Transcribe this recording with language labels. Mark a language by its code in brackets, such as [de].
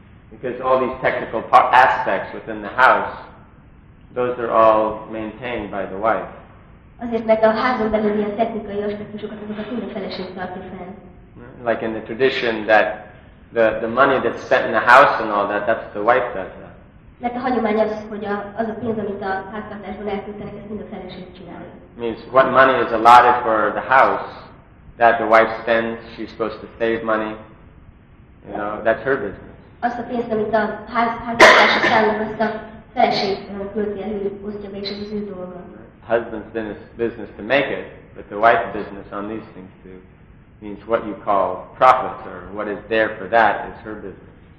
[en] Because all these technical aspects within the house, those are all maintained by the wife. [hu] Azért, mert a házon belül ilyen technikai aspektusokat, azokat mind a feleség tartja fenn. [en] Like in the tradition that the money that's spent in the house and all that, that's the wife does that. [hu] Mert a hagyomány az, hogy az a pénz, amit a háztartásban elküldenek, ezt mind a feleség csinálja. [en] Means what money is allotted for the house that the wife spends, she's supposed to save money, you know, that's her business. [hu] Azt a pénzt, amit a háztartási szállnak, azt a feleség költi el, hogy osztja be, és az ő dolga. [en] Husband's business to make it, but the wife's business on these things too. Means what you call profits or what is there for that is her business.